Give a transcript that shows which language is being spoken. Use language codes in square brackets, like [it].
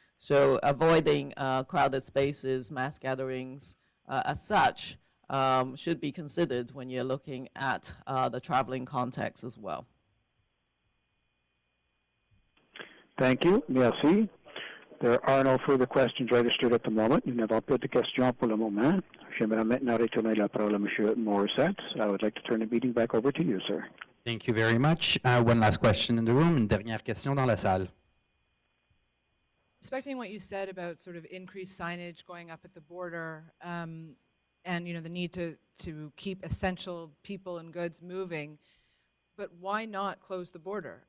[en] So avoiding crowded spaces, mass gatherings, as such, should be considered when you're looking at the traveling context as well. Thank you. Merci. There are no further questions registered at the moment. [fr] Nous n'avons plus de questions pour le moment. J'aimerais maintenant retourner la parole à Monsieur Morissette. [en] I would like to turn the meeting back over to you, sir. Thank you very much. One last question in the room. [fr] Une dernière question dans la salle. [en] Respecting what you said about sort of increased signage going up at the border, and you know the need to keep essential people and goods moving, but why not close the border?